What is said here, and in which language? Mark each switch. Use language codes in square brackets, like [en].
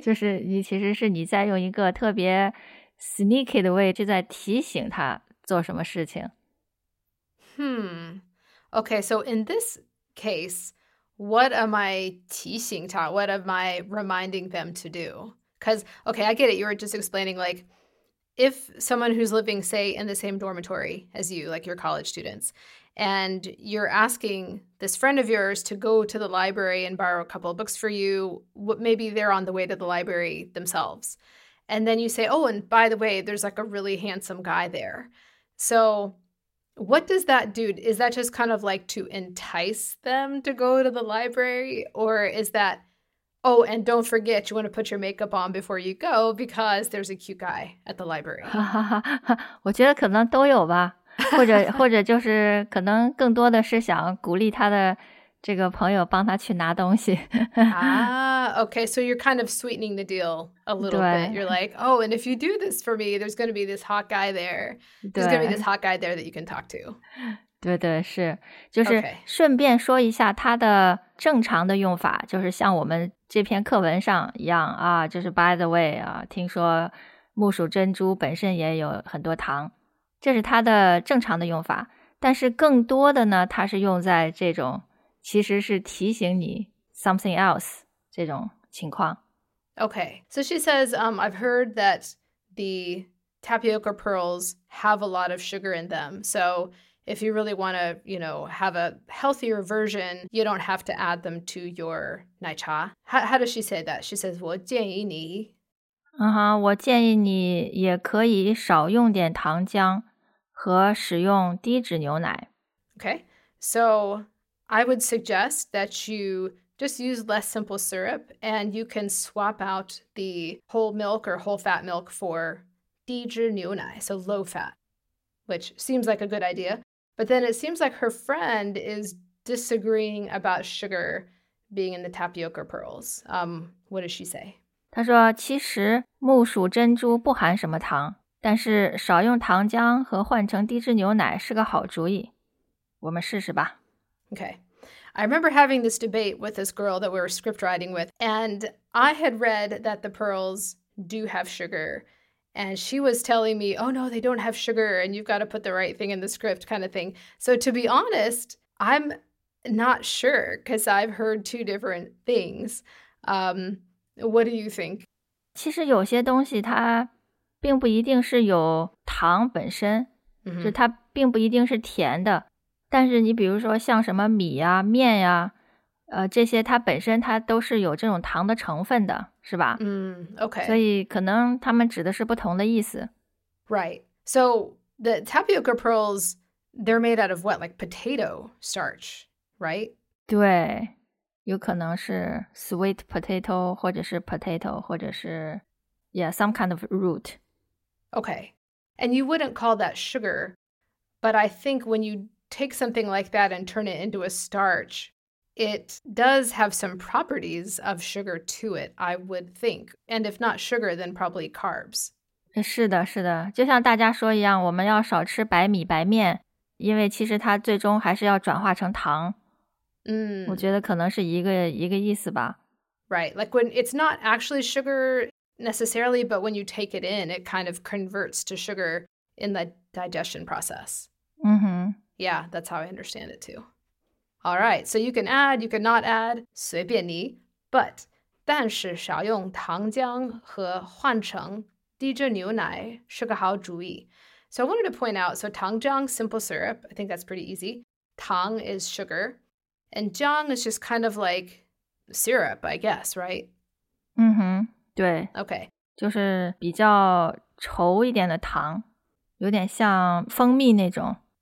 [zh] 就是你其实是你在用一个特别 [en] sneaky [zh] 的 [en] way [zh] 就在提醒他做什么事情 [en] OK so in this caseWhat am I teaching them? What am I reminding them to do? Because, okay, I get it. You were just explaining, like, if someone who's living, say, in the same dormitory as you, like your college students, and you're asking this friend of yours to go to the library and borrow a couple of books for you, maybe they're on the way to the library themselves. And then you say, oh, and by the way, there's like a really handsome guy there. So... What does that do? Is that just kind of like to entice them to go to the library? Or is that, oh, and don't forget, you want to put your makeup on before you go because there's a cute guy at the library. [zh] 我觉得可能都有吧。或者就是可能更多的是想鼓励他的这个朋友帮他去拿东西。 [en] okay, so you're kind of sweetening the deal a little bit. You're like, oh, and if you do this for me, there's going to be this hot guy there. There's going to be this hot guy there that you can talk to. [zh] 对对，是。就是顺便说一下它的正常的用法，就是像我们这篇课文上一样啊，就是 [en] by the way, [zh] 啊，听说木薯珍珠本身也有很多糖。这是它的正常的用法。但是更多的呢，它是用在这种其实是提醒你 [en] something else [zh] 这种情况。 [en] Okay, so she says, I've heard that the tapioca pearls have a lot of sugar in them. So if you really want to, you know, have a healthier version, you don't have to add them to your 奶茶. How does she say that? She says, [zh] 我建议你。 Uh-huh, 我建议你也可以少用点糖浆和使用低脂牛奶。 [en] Okay, so... I would suggest that you just use less simple syrup and you can swap out the whole milk or whole fat milk for 低脂牛奶, so low fat, which seems like a good idea. But then it seems like her friend is disagreeing about sugar being in the tapioca pearls. What does she say? [zh] 她说其实木薯珍珠不含什么糖,但是少用糖浆和换成低脂牛奶是个好主意。我们试试吧。 [en] Okay. I remember having this debate with this girl that we were script writing with, and I had read that the pearls do have sugar, and she was telling me, oh no, they don't have sugar, and you've got to put the right thing in the script kind of thing. So to be honest, I'm not sure, because I've heard two different things. What do you think? [zh] 其实有些东西它并不一定是有糖本身，就它并不一定是甜的。但是你比如说像什么米啊面啊这些它本身它都是有这种糖的成分的是吧 [en] OK. [zh] 所以可能他们指的是不同的意思。 [en] Right. So the tapioca pearls, they're made out of what? Like potato starch, right? [zh] 对。有可能是 [en] sweet potato, [zh] 或者是 potato, 或者是 [en] yeah, some kind of root. OK. And you wouldn't call that sugar, but I think when you... take something like that and turn it into a starch, it does have some properties of sugar to it, I would think. And if not sugar, then probably carbs. [zh] 是的，是的。就像大家说一样，我们要少吃白米白面，因为其实它最终还是要转化成糖。嗯，我觉得可能是一个意思吧。 [en] Right, like when it's not actually sugar necessarily, but when you take it in, it kind of converts to sugar in the digestion process. 嗯哼。 Yeah, that's how I understand it too. All right, so you can add, you can not add, [zh] 随便你, [en] but [zh] 但是少用糖浆和换成低脂牛奶是个好主意。 [en] So I wanted to point out, so 糖浆, simple syrup, I think that's pretty easy. 糖 is sugar, and 浆 is just kind of like syrup, I guess, right? [zh] 嗯哼，对。 [en] Okay. [zh] 就是比较稠一点的糖,有点像蜂蜜那种。